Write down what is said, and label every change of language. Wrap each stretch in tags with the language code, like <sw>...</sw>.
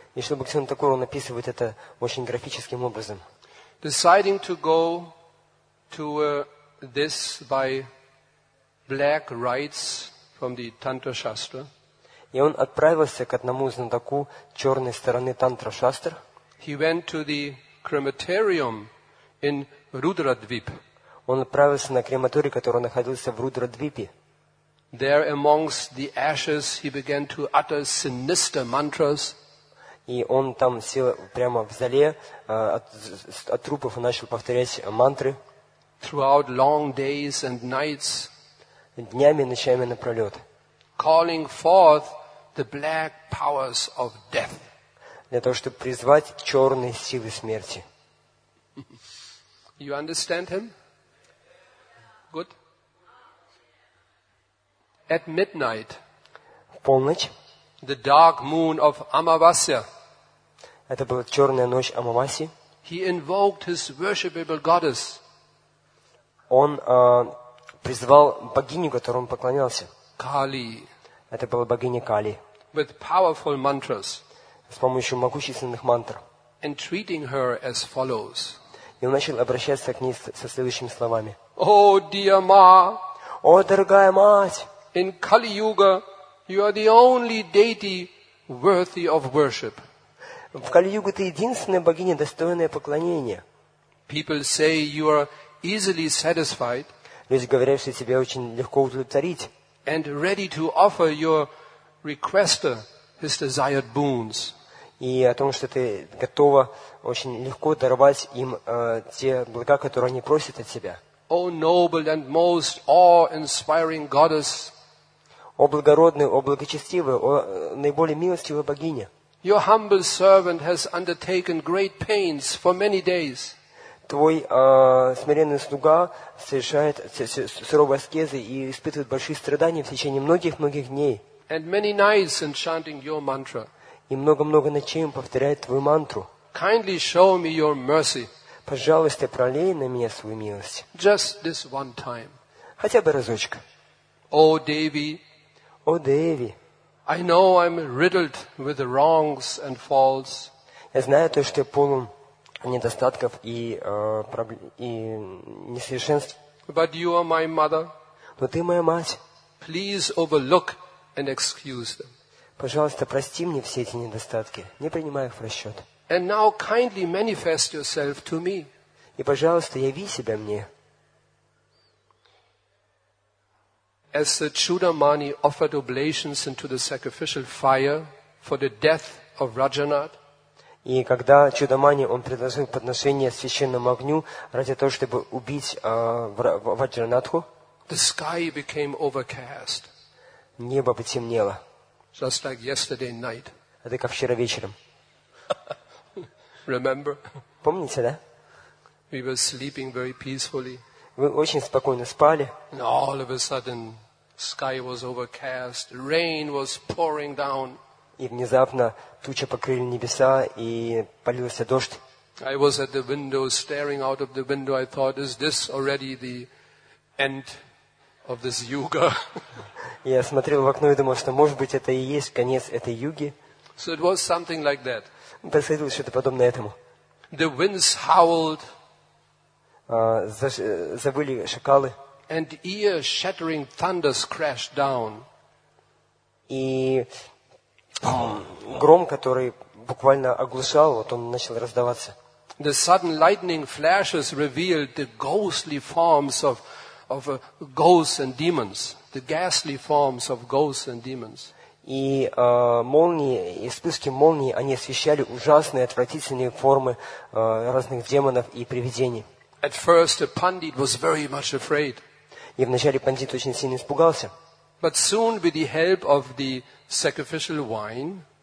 <ru>И Шрила Бхактивинода Такур описывает это очень графическим образом.</ru> <en>Deciding to go to this by black rites from the Tantra Shastra.</en> <ru>И он отправился к одному знатоку черной стороны Тантра Шастр.</ru> <en>He went to the crematorium in Rudradvip.</en> <ru>Он отправился на крематорий, который находился в Рудрадвипе.</ru> <en>There amongst the ashes he began to utter sinister mantras.</en> <ru>И он там сел прямо в зале от трупов и начал повторять мантры.</ru> <en>Throughout long days and nights.</en> <ru>Днями и ночами напролет.</ru> <en>Calling forth the black powers of death.</en> <ru>Для того, чтобы призвать черные силы смерти.</ru> <en>You understand him? Good. At midnight.</en> <ru>Полночь.</ru> <en>The dark moon of Amavasya.</en> <ru>Это была черная ночь Амавасии.</ru> <en>He invoked his worshipable goddess.</en> <ru>Он призвал богиню, которой он поклонялся.</ru> <en>Kali.</en> <ru>Это была богиня Кали.</ru> <en>With powerful mantras.</en> <ru>С помощью могущественных мантр.</ru> <en>And treating her as follows.</en> <ru>И он начал обращаться к ней со следующими словами.</ru> <en>О, dear ma,</en> <ru>о, дорогая мать,</ru> <en>in Kali Yuga, you are the only deity worthy of worship.</en> <ru>В Кали-Югу ты единственная богиня, достойная поклонения.</ru> <en>People say you are easily satisfied.</en> <ru>Люди говорят, что тебя очень легко удовлетворить.</ru> <en>And ready to offer your requester his desired boons.</en> <ru>И о том, что ты готова очень легко даровать им те блага, которые они просят от тебя.</ru> <en>О, noble and most awe-inspiring goddess.</en> <ru>О, благородный, о, благочестивый, о, наиболее милостивая богиня.</ru> <en>Your humble servant has undertaken great pains for many days.</en> <ru>Твой смиренный слуга совершает суровые аскезы и испытывает большие страдания в течение многих-многих дней.</ru> <en>And many nights in chanting your mantra.</en> <ru>И много-много ночей он повторяет твою мантру.</ru> <en>Kindly show me your mercy.</en> <ru>Пожалуйста, пролей на меня свою милость.</ru> <en>Just this one time.</en> <ru>Хотя бы разочек. О, Деви. О, Деви.</ru> <en>I know I'm riddled with the wrongs and faults.</en> <ru>Я знаю то, что я полон недостатков и несовершенств.</ru> <en>But you are my mother.</en> <ru>Но ты моя мать.</ru> <en>Please overlook and excuse them.</en> <ru>Пожалуйста, прости мне все эти недостатки. Не принимай их в расчет.</ru> <en>And now kindly manifest yourself to me.</en> <ru>И, пожалуйста, яви себя мне.</ru> <en>As the Chudamani offered oblations into the sacrificial fire for the death of Rajanath.</en> <ru>И когда Чудамани он предложил подношение священному огню ради того, чтобы убить Ваджранатху.</ru> <en>The sky became overcast.</en> <ru>Небо потемнело.</ru> <en>Just like yesterday night.</en> <ru>Это как вчера вечером.</ru> <en>Remember?</en> <ru>Помните, да?</ru> <en>We were sleeping very peacefully.</en> <ru>Вы очень спокойно спали.</ru> <en>And all of a sudden, sky was overcast. Rain was pouring down.</en> <ru>И внезапно туча покрыли небеса, и полился дождь.</ru> <en>I was at the window, staring out of the window. I thought, is this already the end of this yuga?</en> <ru>Я смотрел в окно и думал, что, может быть, это и есть конец этой юги.</ru> <en>So it was something like that.</en> <ru>Происходило что-то подобное этому.</ru> <en>The winds howled.</en> <ru>Завыли шакалы.</ru> <en>And ear-shattering thunders crashed down.</en> <ru>И гром, который буквально оглушал, вот он начал раздаваться.</ru> <en>The sudden lightning flashes revealed the ghostly forms of ghosts and demons, the ghastly forms of ghosts and demons.</en> <ru>И молнии, и вспышки молний, они освещали ужасные, отвратительные формы разных демонов и привидений.</ru> <en>At first, the pandit was very much afraid.</en> <ru>И вначале пандит очень сильно испугался.</ru> <en>But soon, with the help of the sacrificial wine.</en>